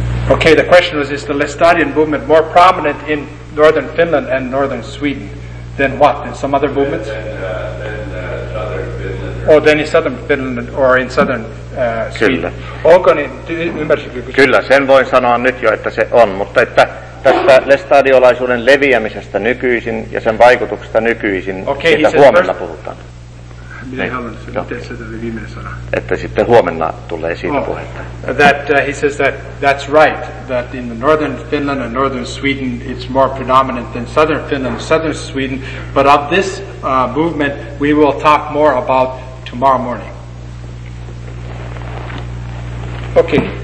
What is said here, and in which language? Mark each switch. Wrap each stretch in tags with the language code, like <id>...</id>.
<en>Okay, the question was, is the Lestadian movement more prominent in northern Finland and northern Sweden than what? Than some other movements? Than southern Finland or Oh, then in southern Finland or in southern</en> <fi>Kyllä. Onko niin, ymmärsikö kysymys? Kyllä, sen voin sanoa nyt jo, että se on, mutta että tästä lestadiolaisuuden leviämisestä nykyisin ja sen vaikutuksesta nykyisin,</fi> <en>okay,</en> <fi>sitä huomenna puhutaan. Minä haluan, että se oli viimeinen sana. Että sitten huomenna tulee siitä puhetta.</fi> <en>That he says that that's right, that in the northern Finland and northern Sweden it's more predominant than southern Finland and southern Sweden, but of this movement we will talk more about tomorrow morning. Okay.</en>